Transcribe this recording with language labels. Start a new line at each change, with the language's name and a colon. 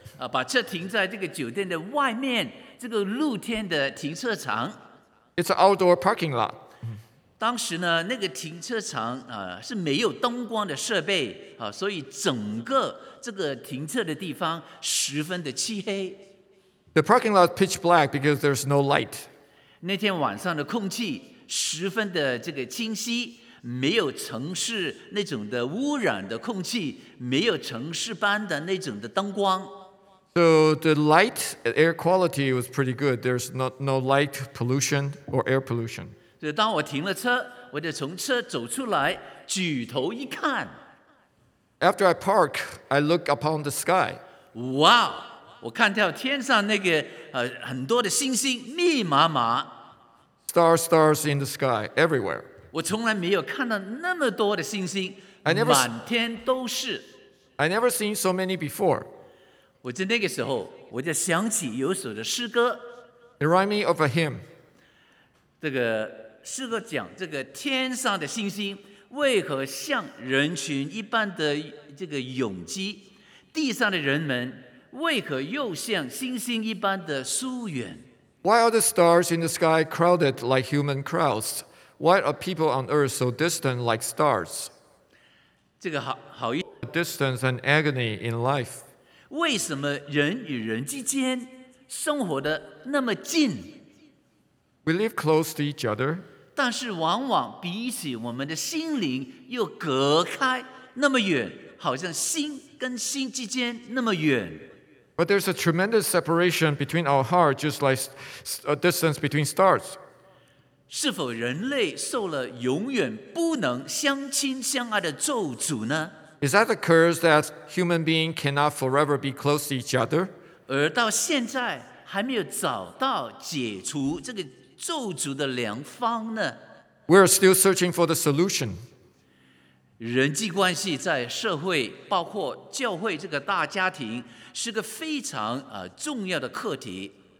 Chinese: 把车停在这个酒店的外面，这个露天的停车场。
English: It's an outdoor parking lot.
Chinese: 当时呢，那个停车场是没有灯光的设备所以整个这个停车的地方十分的漆黑。
English: The parking lot is pitch black because there's no light.
Chinese: 那天晚上的空气十分的这个清晰，没有城市那种的污染的空气，没有城市般的那种的灯光。
English: So the light air quality was pretty good. There's no light pollution or air pollution.
Chinese: 所以当我停了车，我就从车走出来，举头一看。
English: After I park, I look upon the sky. Wow.
Chinese: 我看到天上那个很多的星星密麻麻
English: stars in the sky everywhere
Chinese: 我从来没有看到那么多的星星满天都是
English: I never seen so many before
Chinese: 我在那个时候我就想起有首的诗歌
English: It reminds me of a hymn
Chinese: 这个诗歌讲这个天上的星星为何像人群一般的这个拥挤地上的人们为何又像星星一般的疏远
English: Why are the stars in the sky crowded like human crowds? Why are people on earth so distant like stars?
Chinese: 这个好
English: A distance and agony in life.
Chinese: 为什么人与人之间生活的那么近
English: We live close to each other.
Chinese: 但是往往比起我们的心灵又隔开那么远好像心跟心之间那么远
English: But there's a tremendous separation between our heart, just like a distance between stars.
Chinese: 是否人类受了永远不能相亲相爱的咒诅呢
English: Is that a curse that human beings cannot forever be close to each other?
Chinese: 而到现在还没有找到解除这个咒诅的良方呢
English: We're still searching for the solution.
Chinese: 人际关系在社会，包括教会这个大家庭是个非常重要的课题。